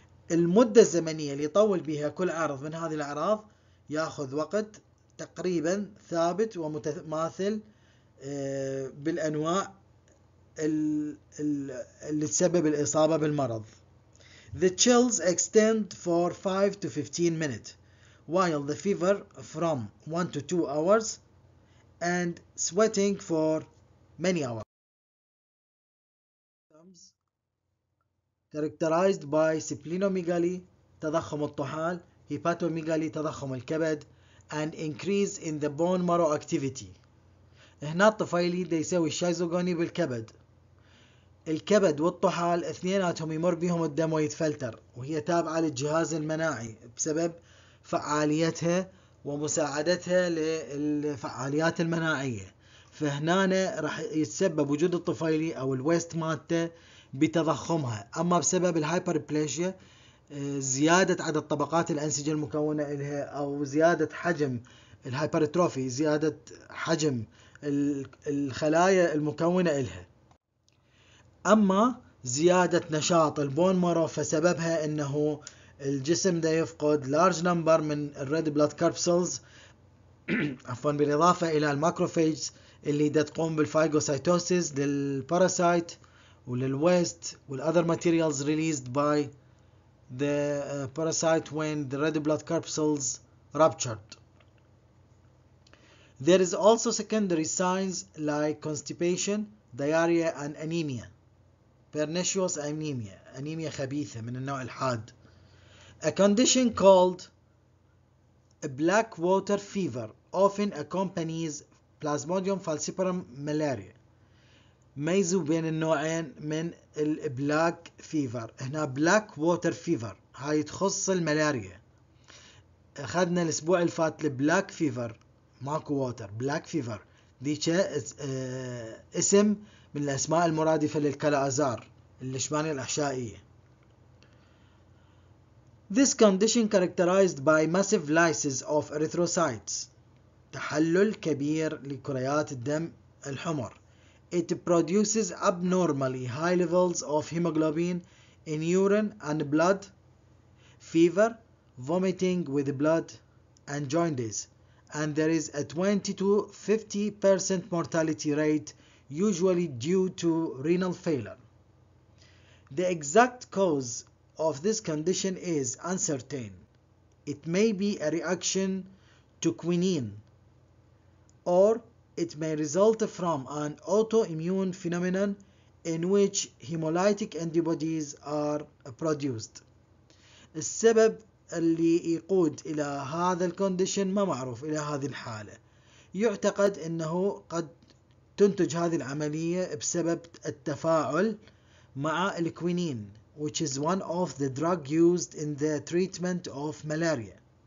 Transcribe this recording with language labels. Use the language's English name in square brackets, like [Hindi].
[Arabic] المدة الزمنية اللي يطول بها كل عرض من هذه الأعراض يأخذ وقت تقريبا ثابت ومتماثل بالأنواع اللي تسبب الإصابة بالمرض. [English] The chills extend for 5 to 15 minutes while the fever from 1 to 2 hours and sweating for many hours. Symptoms characterized by splenomegaly، [Arabic] تضخم الطحال، [English] hepatomegaly، [Arabic] تضخم الكبد، [English] and increase in the bone marrow activity. [Arabic] هنا الطفيلي دا يسوي الشيزوغوني بالكبد، الكبد والطحال اثنيناتهم يمر بهم الدم ويتفلتر، وهي تابعة للجهاز المناعي بسبب فعاليتها ومساعدتها للفعاليات المناعية. فهنا راح يتسبب وجود الطفيلي او الويست مالته بتضخمها. اما بسبب الهايبر بليشيا، زيادة عدد طبقات الانسجة المكونة لها او زيادة حجم الهايبرتروفي، زيادة حجم الخلايا المكونة لها. اما زيادة نشاط البون مارو فسببها انه الجسم ده يفقد [English] large number [Arabic] من [English] الريد blood corpuscles, [Arabic] عفوا بالاضافة الى الماكروفيج اللي ده تقوم بالفايجوسايتوسيس للباراسايت وللويست [English] والاذر materials released by the parasite when the red blood corpuscles ruptured. There is also secondary signs like constipation, diarrhea and anemia. Pernicious anemia, anemia [Arabic] خبيثة من النوع الحاد. [English] A condition called black water fever often accompanies Plasmodium falciparum malaria. [Arabic] ميزوا بين النوعين من البلاك فيفر. هنا بلاك ووتر فيفر هاي تخص الملاريا. اخذنا الاسبوع الفات البلاك فيفر، ماكو ووتر، بلاك فيفر ديتش اسم من الاسماء المرادفة للكلاازار الليشمانية الاحشائية. [English] This condition characterized by massive lysis of erythrocytes، [Arabic] تحلل كبير لكريات الدم الحمر. [English] It produces abnormally high levels of hemoglobin in urine and blood, fever, vomiting with blood and jaundice. And there is a 20-50% mortality rate, usually due to renal failure. The exact cause of this condition is uncertain. It may be a reaction to quinine, or it may result from an autoimmune phenomenon in which hemolytic antibodies are produced. [Arabic] السبب اللي يقود الى هذا الكونديشن ما معروف الى هذه الحالة. يعتقد انه قد تنتج هذه العملية بسبب التفاعل مع الكوينين, [English] which is one of the drug used in the treatment of malaria.